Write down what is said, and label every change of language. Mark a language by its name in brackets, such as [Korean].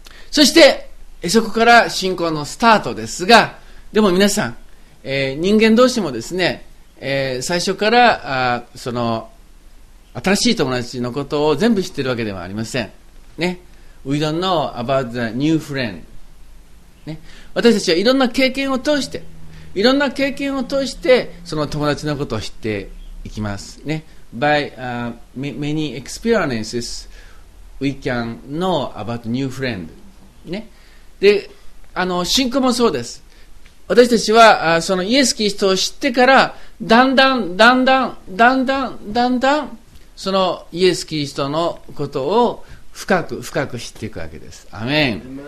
[Japanese] そしてそこから信仰のスタートですが、でも皆さん、人間同士もですね、最初から、その新しい友達のことを全部知ってるわけではありませんね。 [English] We don't know about the new friend、 [Japanese] ね、私たちはいろんな経験を通して、いろんな経験を通して、その友達のことを知っていきますね。 [English] By、many experiences we can know about new friend ね。 [Japanese] で、信仰もそうです。私たちは、そのイエス・キリストを知ってから、だんだん、だんだん、だんだん、だんだん、そのイエス・キリストのことを深く深く知っていくわけです。アメン。